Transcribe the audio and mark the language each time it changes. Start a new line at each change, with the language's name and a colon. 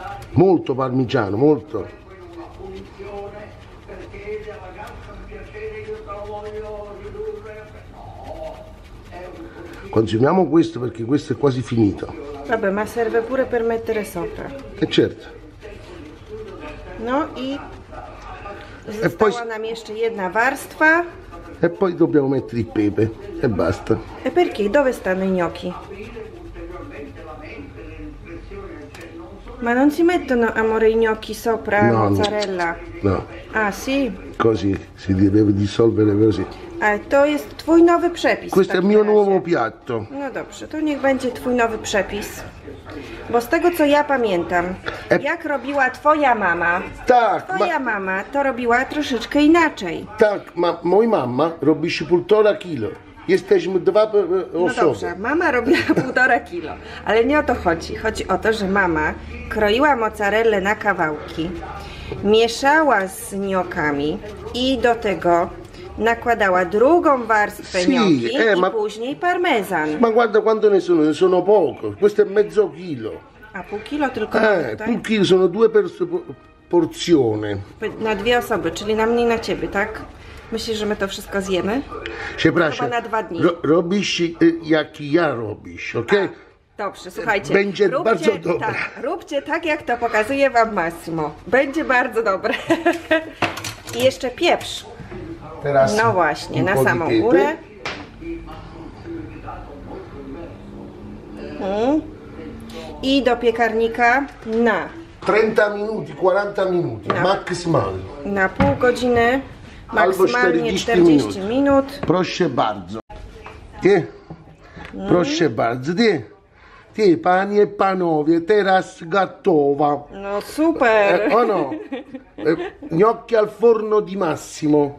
Italian: Molto parmigiano, molto. Consumiamo questo perché questo è quasi finito. Vabbè, ma serve pure per mettere sopra. E certo.
Polish: No i została nam jeszcze jedna warstwa.
Italian: E poi dobbiamo mettere il pepe e basta. E perché? Dove stanno i gnocchi? Ma non si mettono, amore, i gnocchi sopra la mozzarella? No. Ah, sì? Così, si deve dissolvere così.
Polish: To jest twój nowy przepis.
Italian: Questo è mio nuovo piatto.
Polish: No dobrze, to niech będzie twój nowy przepis. Bo z tego co ja pamiętam, jak robiła twoja mama. Tak. Twoja mama to robiła troszeczkę inaczej. Tak, moja mama robi się 1,5 kilo. Jesteśmy dwa osoby. No dobrze, mama robiła 1,5 kilo. Ale nie o to chodzi. Chodzi o to, że mama kroiła mozzarellę na kawałki, mieszała z gnocchami i do tego nakładała drugą warstwę gnocchi i później parmezan.
Italian: Ma guarda quanto ne sono, poco. Questo è mezzo chilo.
Polish: A pół kilo tylko? Pół kilo,
Italian: sono due porzioni.
Polish: Na dwie osoby, czyli na mnie i na ciebie, tak? Myślisz, że my to wszystko zjemy? Przepraszam. Chyba na dwa dni. Robisz jak ja robisz, ok? A, dobrze, słuchajcie. Będzie róbcie, bardzo dobre. Tak, róbcie tak, jak to pokazuje wam Massimo. Będzie bardzo dobre. I jeszcze pieprz. Teraz no właśnie, na samą górę. I do piekarnika na 30 minut, 40 minut, maksymalnie. Na pół godziny, maksymalnie 40 minut. Proszę bardzo. Ty? Proszę bardzo, ty? Ty, panie, panowie, teraz gotowa. No super. O no.
Italian: Gnocchi al forno di Massimo.